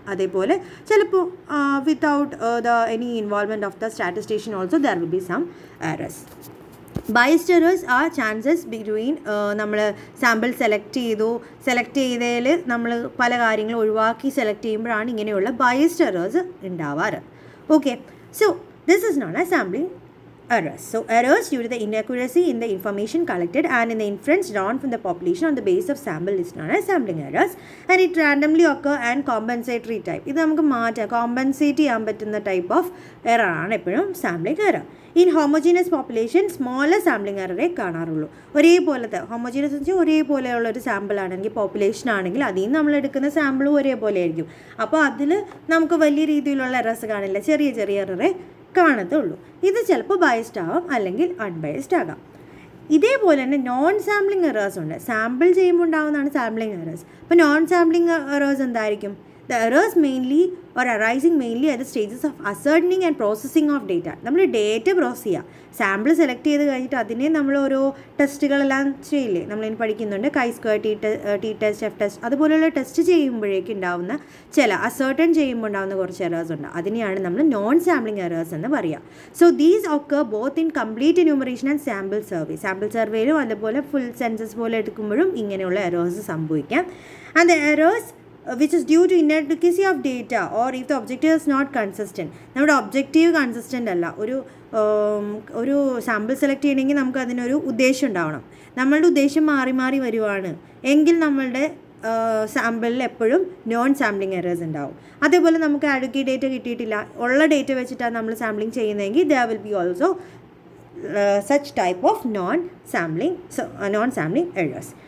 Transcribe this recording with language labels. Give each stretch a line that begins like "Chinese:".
English: അതേപോലെ ചിലപ്പോൾ without the any involvement of the statistician also there will be some errors.
Malayalam: ബയസ്റ്ററേഴ്സ് ആ chances between നമ്മൾ sample select ചെയ്തു, select ചെയ്തതിൽ നമ്മൾ പല കാര്യങ്ങളും ഒഴിവാക്കി സെലക്ട് ചെയ്യുമ്പോഴാണ് ഇങ്ങനെയുള്ള ബയസ്റ്ററേഴ്സ് ഉണ്ടാവാറ്.
English: Okay, so this is known as sampling errors. So errors due to the inaccuracy in the information collected and in the inference drawn from the population on the basis of sample is known as sampling errors, and it randomly occur and compensatory type.
Malayalam: ഇത് നമുക്ക് മാറ്റാം, compensate ചെയ്യാൻ പറ്റുന്ന type of error ആണ് എപ്പോഴും sampling error. In homogeneous population smaller sampling എററേ കാണാറുള്ളൂ. ഒരേപോലത്തെ homogeneous എന്ന് വെച്ചാൽ ഒരേപോലെയുള്ള ഒരു സാമ്പിൾ ആണെങ്കിൽ, പോപ്പുലേഷൻ ആണെങ്കിൽ, അതിൽ നിന്ന് നമ്മളെടുക്കുന്ന സാമ്പിളും ഒരേപോലെ ആയിരിക്കും. അപ്പോൾ അതിൽ നമുക്ക് വലിയ രീതിയിലുള്ള എറേഴ്സ് കാണില്ല, ചെറിയ ചെറിയ എററേ കാണത്തുള്ളൂ. ഇത് ചിലപ്പോൾ ബയസ്ഡ് ആവാം അല്ലെങ്കിൽ അൺബയസ്ഡ് ആകാം. ഇതേപോലെ തന്നെ നോൺ സാമ്പിളിംഗ് എറേഴ്സ് ഉണ്ട്. സാമ്പിൾ ചെയ്യുമ്പോൾ ഉണ്ടാവുന്നതാണ് സാമ്പിളിംഗ് എറേഴ്സ്. അപ്പോൾ നോൺ സാമ്പിളിംഗ് എറേഴ്സ് എന്തായിരിക്കും?
English: The errors mainly or arising mainly at the stages of ascertaining and processing of data.
Malayalam: നമ്മൾ ഡേറ്റ പ്രോസസ്സ് ചെയ്യുക, സാമ്പിൾ സെലക്ട് ചെയ്ത് കഴിഞ്ഞിട്ട് അതിനെ നമ്മൾ ഓരോ ടെസ്റ്റുകളെല്ലാം ചെയ്യില്ലേ, നമ്മളതിന് പഠിക്കുന്നുണ്ട്, chi square, T test, F test, അതുപോലെയുള്ള ടെസ്റ്റ് ചെയ്യുമ്പോഴേക്കും ഉണ്ടാവുന്ന ചില അസേർട്ടൺ ചെയ്യുമ്പോൾ ഉണ്ടാവുന്ന കുറച്ച് എറേഴ്സ് ഉണ്ട്, അതിനെയാണ് നമ്മൾ നോൺ സാമ്പിളിംഗ് എറേഴ്സ് എന്ന് പറയുക.
English: So these occur both in complete enumeration and sample survey.
Malayalam: Sample സർവേയിലും അതുപോലെ ഫുൾ സെൻസസ് പോലെ എടുക്കുമ്പോഴും ഇങ്ങനെയുള്ള എറേഴ്സ് സംഭവിക്കാം.
English: And the errors which is due to inadequacy of data or if the objective is not consistent.
Malayalam: നമ്മുടെ objective consistent അല്ല. ഒരു ഒരു sample select ചെയ്യണമെങ്കിൽ നമുക്ക് അതിനൊരു ഉദ്ദേശം ഉണ്ടാവണം. നമ്മളുടെ ഉദ്ദേശം മാറി മാറി വരുവാണ് എങ്കിൽ നമ്മളുടെ സാമ്പിളിൽ എപ്പോഴും നോൺ സാമ്പിളിംഗ് എറേഴ്സ് ഉണ്ടാവും. അതേപോലെ നമുക്ക് അടുക്കി ഡേറ്റ കിട്ടിയിട്ടില്ല, ഉള്ള ഡേറ്റ വെച്ചിട്ടാണ് നമ്മൾ സാമ്പിളിംഗ് ചെയ്യുന്നതെങ്കിൽ
English: There will be also such type of non sampling errors.